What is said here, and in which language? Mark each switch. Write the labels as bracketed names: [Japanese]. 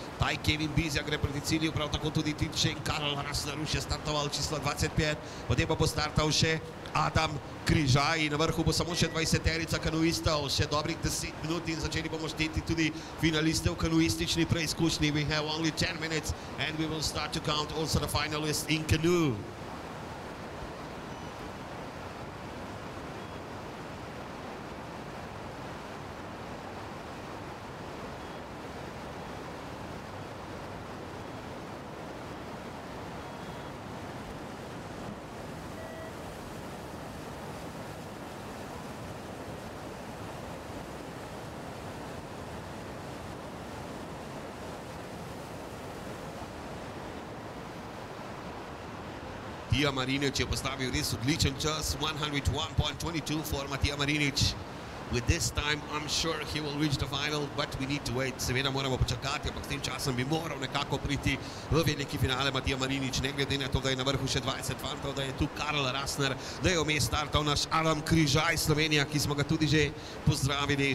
[Slovenian] Taj Kevin Bizjak gre proti cilju, prav tako tudi Tit Šenk, Karel Rasner už je startoval čisto 25, potem pa bo startal še Adam Križaj. Na vrhu bo samo še 20-terica kanuistov, še dobrih 10 minut in začeli bomo šteti tudi finaliste v kanuistični preizkušnji. [English] We have only 10 minutes and we will start to count also the finalists in canoe. [Slovenian] Matija Marinič je postavil res odličen čas, 101.22 [English] for Matija Marinič. With this time, I'm sure he will reach the final, but we need to wait. [Slovenian] Seveda moramo počakati, ampak s tem časom bi moral nekako priti v veliki finale Matija Marinič. Ne glede na to, da je na vrhu še 20 fantov, da je tu Karel Rasner, da je vmes startal naš Adam Križaj Slovenija, ki smo ga tudi že pozdravili.